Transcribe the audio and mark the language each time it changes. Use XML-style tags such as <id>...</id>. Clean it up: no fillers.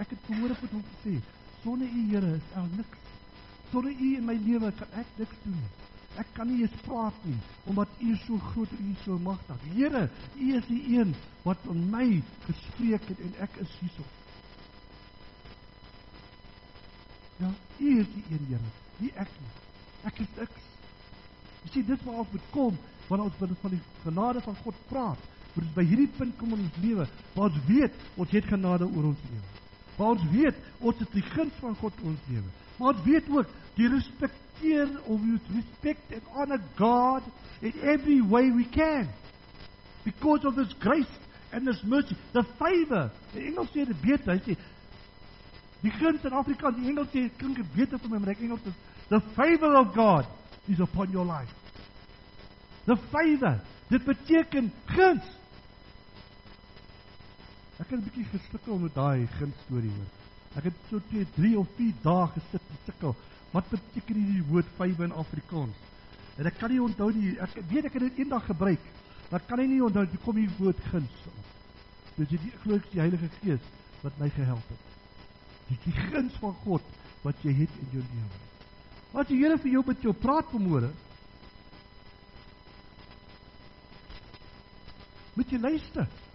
<af>Ek het vanmorgen vir hom gesê, sonder u, Heere, is daar niks. Sonder u in my lewe, kan ek niks doen. Ek kan nie eens praat nie, omdat U so groot en U so magtig. Here, U is die een wat aan my gespreek het en ek is hier so. Ja, U is die een, Here, nie ek nie. Ek is niks. Jy sien, dit waar ons moet kom, wanneer ons van die genade van God praat, moet ons by hierdie punt kom in ons lewe, waar ons weet, ons het genade oor ons lewe. Waar ons weet, ons het die guns van God oor ons lewe. Maar ons weet ook, die</af> <en>respect, fear of you respect and honor God in every way we can. Because of this grace and this mercy, the favor.</en> <af>In Engels sê dit beter, hy sê, die guns in Afrikaans, die Engels sê, klink dit beter vir my, maar ek Engels is,</af> <en>the favor of God is upon your life. The favor,</en> <af>dit beteken guns. Ek het 'n bietjie gesukkel met daai guns storie hoor. Ek het so 2, 3 or 4 dae gesit en sukkel. Wat beteken hierdie woord favor in Afrikaans? En ek kan nie onthou nie, ek weet ek het dit eendag gebruik, maar kan nie onthou, hoe kom hier woord guns op. Dus jy glo die Heilige Gees, wat my gehelp het. Die guns van God, wat jy het in jou lewe. Wat die Here vir jou met jou praat vanmôre, moet jy luister.</af>